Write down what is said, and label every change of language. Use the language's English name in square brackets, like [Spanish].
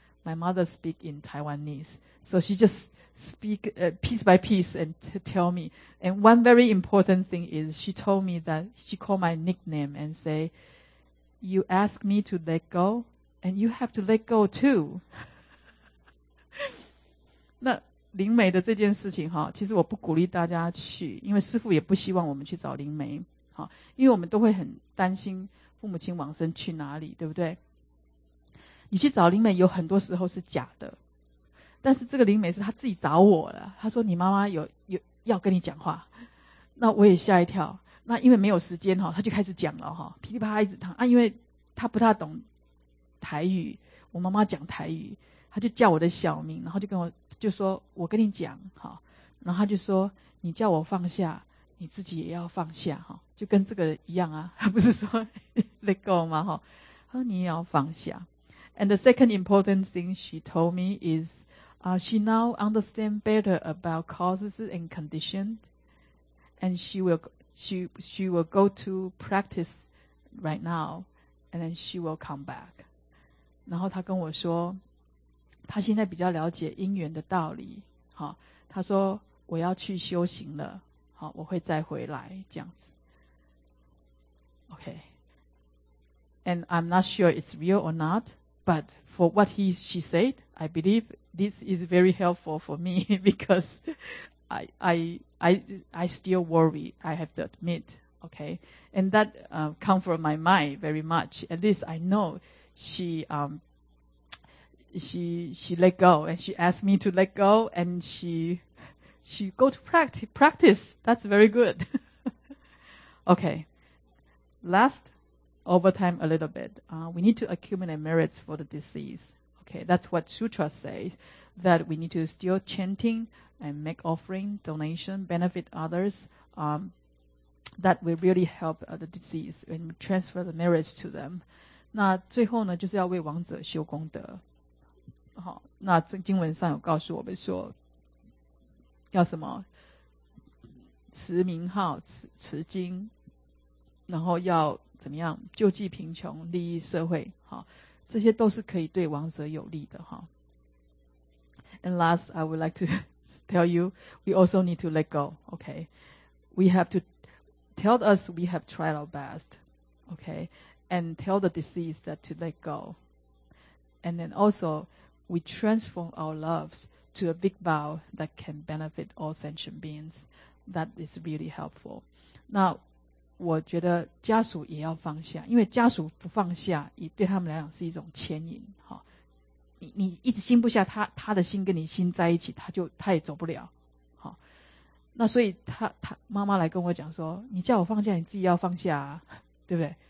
[English] My mother speak in Taiwanese. So she just speak piece by piece and tell me. And one very important thing is she told me that she called my nickname and say, you ask me to let go and you have to let go too. [Chinese] 那灵媒的这件事情哈，其实我不鼓励大家去，因为师父也不希望我们去找灵媒，好，因为我们都会很担心父母亲往生去哪里，对不对？你去找灵媒有很多时候是假的，但是这个灵媒是他自己找我的，他说你妈妈有要跟你讲话，那我也吓一跳，那因为没有时间哈，他就开始讲了哈，噼里啪啦一直谈啊，因为他不太懂台语，我妈妈讲台语，他就叫我的小名，然后就跟我就说我跟你讲哈，然后他就说你叫我放下，你自己也要放下哈，就跟这个一样啊，他不是说 [English] let go [Chinese] 吗哈，他说你也要放下。 [English] And the second important thing she told me is, she now understands better about causes and conditions, and she will go to practice right now, and then she will come back. [Chinese] 然后她跟我说，她现在比较了解因缘的道理。好，她说我要去修行了。好，我会再回来这样子。Okay. [English] And I'm not sure it's real or not. But for what she said, I believe this is very helpful for me because I still worry, I have to admit, okay? And that comforts my mind very much. At least I know she let go and she asked me to let go and she go to practice. That's very good. Okay, last. Over time a little bit. We need to accumulate merits for the disease. Okay, that's what Sutra says, that we need to still chanting and make offering, donation, benefit others, that will really help the disease and transfer the merits to them. [Chinese] 那最后呢，就是要为亡者修功德。好，那这经文上有告诉我们说，要什么？持名号，持经，然后要怎么样救济贫穷，利益社会，好，这些都是可以对亡者有利的。 [English] And last I would like to tell you, we also need to let go, okay? We have to tell us we have tried our best, okay? And tell the deceased that to let go. And then also, we transform our loves to a big vow that can benefit all sentient beings. That is really helpful. [Chinese] 那我觉得家属也要放下，因为家属不放下，也对他们来讲是一种牵引。哦、你一直心不下，他的心跟你心在一起，他也走不了。哦、那所以他妈妈来跟我讲说，你叫我放下，你自己要放下、啊，对不对？